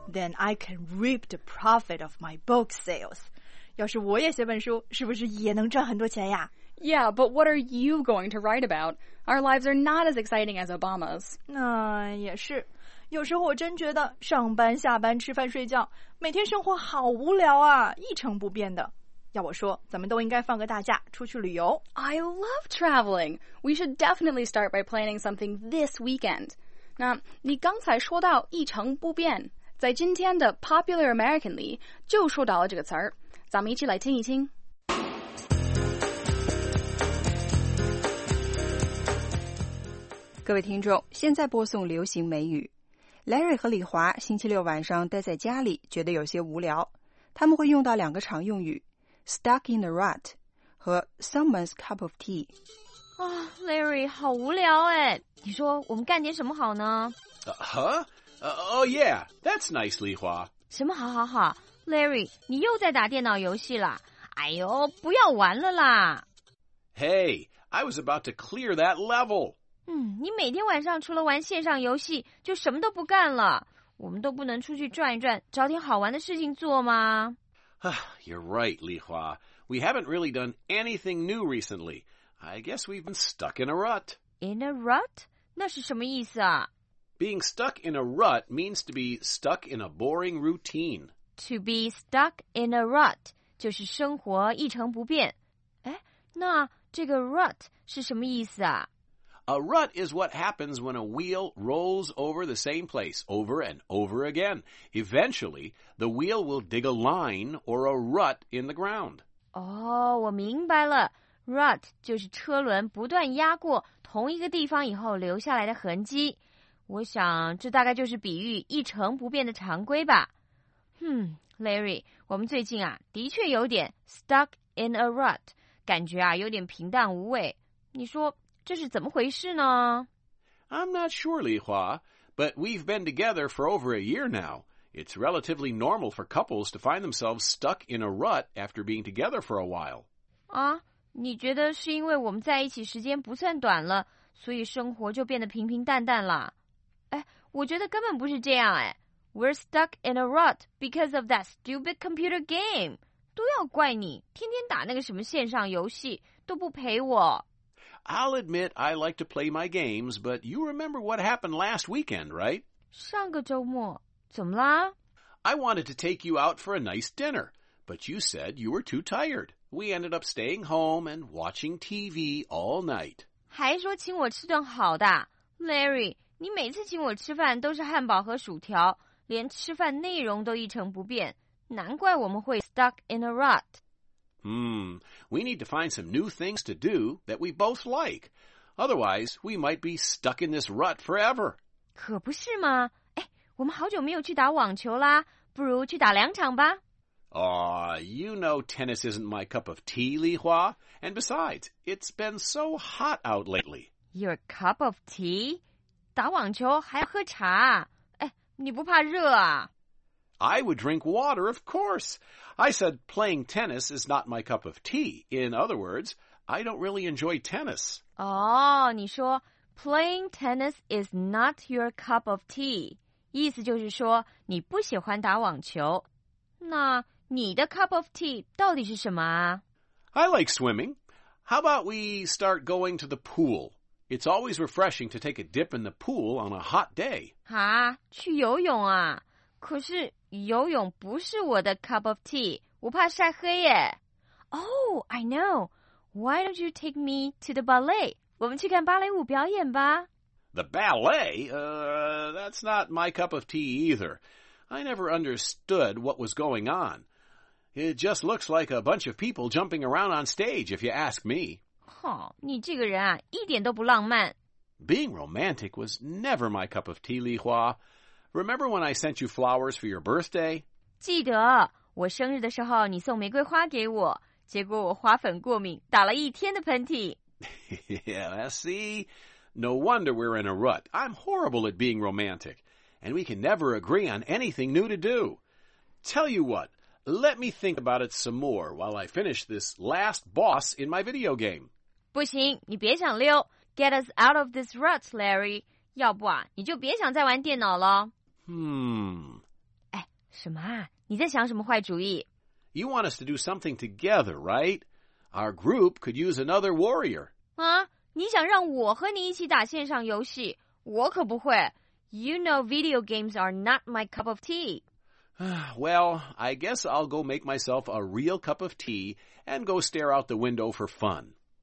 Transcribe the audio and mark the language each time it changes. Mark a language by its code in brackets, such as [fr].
[en] Then I can reap the profit of my book sales. [zh] 要是我也写本书，是不是也能赚很多钱呀？ [en] Yeah, but what are you going to write about? Our lives are not as exciting as Obama's. [zh] 那也是。有时候我真觉得上班、下班、吃饭、睡觉，每天生活好无聊啊，一成不变的。要我说，咱们都应该放个大假，出去旅游。 [en] I love traveling. We should definitely start by planning something this weekend. [zh] 那你刚才说到一成不变，在今天的 Popular American 里就说到了这个词儿，咱们一起来听一听。各位听众，现在播送流行美语。 Larry 和李华星期六晚上待在家里觉得有些无聊，他们会用到两个常用语 Stuck in the rut 和 Someone's cup of tea。 Oh, Larry, 好无聊哎！你说我们干点什么好呢？ [en] Oh yeah, that's nice, Li Hua. [zh] 什么好好好 ？Larry, 你又在打电脑游戏啦？哎呦，不要玩了啦 [en] ！Hey, I was about to clear that level. [zh] 你每天晚上除了玩线上游戏，就什么都不干了。我们都不能出去转一转，找点好玩的事情做吗？ [en] You're right, Li Hua. We haven't really done anything new recently. I guess we've been stuck in a rut. In a rut? [zh] 那是什么意思啊? [en] Being stuck in a rut means to be stuck in a boring routine. To be stuck in a rut [zh] 就是生活一成不变。哎，那这个 rut 是什么意思啊? [en] A rut is what happens when a wheel rolls over the same place over and over again. Eventually, the wheel will dig a line or a rut in the ground. [zh] 哦，我明白了。 Rut 就是车轮不断压过同一个地方以后留下来的痕迹，我想这大概就是比喻一成不变的常规吧。 Larry, 我们最近啊的确有点 [en] stuck in a rut, [zh] 感觉啊有点平淡无味，你说这是怎么回事呢？ [en] I'm not sure, Li Hua, but we've been together for over a year now. It's relatively normal for couples to find themselves stuck in a rut after being together for a while. [zh] 啊？你觉得是因为我们在一起时间不算短了，所以生活就变得平平淡淡了？哎，我觉得根本不是这样哎。 [en] We're stuck in a rut because of that stupid computer game. [zh] 都要怪你，天天打那个什么线上游戏，都不陪我。 [en] I'll admit I like to play my games, but you remember what happened last weekend, right? [zh] 上个周末，怎么啦？ [en] I wanted to take you out for a nice dinner, but you said you were too tired. We ended up staying home and watching TV all night. [zh] 还说请我吃顿好的。Larry, 你每次请我吃饭都是汉堡和薯条，连吃饭内容都一成不变。难怪我们会 [en] stuck in a rut. We need to find some new things to do that we both like. Otherwise, we might be stuck in this rut forever. [zh] 可不是吗？哎，我们好久没有去打网球啦，不如去打两场吧。 [en] Aw, you know tennis isn't my cup of tea, Li Hua. And besides, it's been so hot out lately. Your cup of tea? [zh] 打网球还要喝茶？哎，你不怕热啊？ [en] I would drink water, of course. I said playing tennis is not my cup of tea. In other words, I don't really enjoy tennis. Oh, [zh] 你说 [en] playing tennis is not your cup of tea. [zh] 意思就是说你不喜欢打网球。那你的 cup of tea 到底是什么啊？ [en] I like swimming. How about we start going to the pool? It's always refreshing to take a dip in the pool on a hot day. [zh] 啊，去游泳啊？可是游泳不是我的 cup of tea, 我怕晒黑耶。 [en] Oh, I know. Why don't you take me to the ballet? [zh] 我们去看芭蕾舞表演吧。 [en] The ballet? That's not my cup of tea either. I never understood what was going on. It just looks like a bunch of people jumping around on stage, if you ask me. [zh] 哼，你这个人啊，一点都不浪漫。 [en] Being romantic was never my cup of tea, Li Hua. Remember when I sent you flowers for your birthday? [zh] 记得，我生日的时候你送玫瑰花给我，结果我花粉过敏，打了一天的喷嚏。 [en] Yeah, see? No wonder we're in a rut. I'm horrible at being romantic, and we can never agree on anything new to do. Tell you what, let me think about it some more while I finish this last boss in my video game. [zh] 不行，你别想溜。 [en] Get us out of this rut, Larry. [zh] 要不啊，你就别想再玩电脑了。哎，什么啊？你在想什么坏主意 [en] ？You want us to do something together, right? Our group could use another warrior. [zh] 啊，你想让我和你一起打线上游戏？我可不会。 [en] You know, video games are not my cup of tea. Well, I guess I'll go make myself a real cup of tea and go stare out the window for fun.